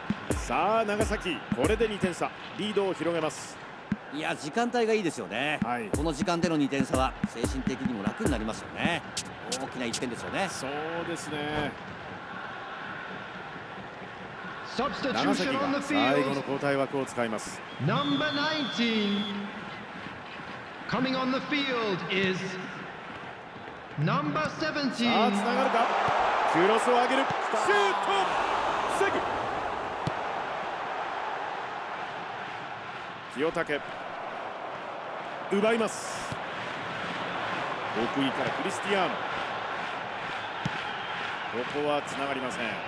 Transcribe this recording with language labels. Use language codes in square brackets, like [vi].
[ja] さあ長崎、これで2点差、リードを広げます。いや時間帯がいいですよね、はい、この時間での2点差は精神的にも楽になりますよね。大きな1点ですよね。そうですね、長崎が最後の交代枠を使います。 [en] ナンバー19 coming on the field is ナンバー17。 [ja] さあつながるか、クロスを上げる、シュート、防ぐ、清武奪います。奥からクリスティアーノ、ここはつながりません。